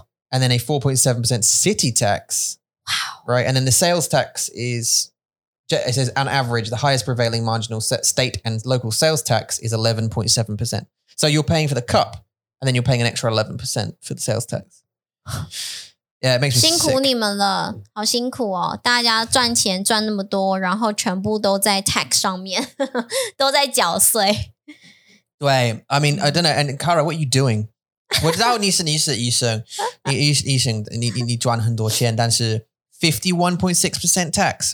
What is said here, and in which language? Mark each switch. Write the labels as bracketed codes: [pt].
[en] And then a 4.7% city tax. Wow. Right. And then the sales tax is, it says on average, the highest prevailing marginal state and local sales tax is 11.7%. So you're paying for the cup and then you're paying an extra 11% for the sales tax. Yeah, it makes me sick. [zh] 辛苦你们了，好辛苦哦！大家赚钱赚那么多，然后全部都在 [en] tax [zh] 上面，都在缴税。对， [en] I mean, I don't know. And Cara, what are you doing? [zh] 我知道你是医生，医生，你赚很多钱，但是 51.6% [en] tax.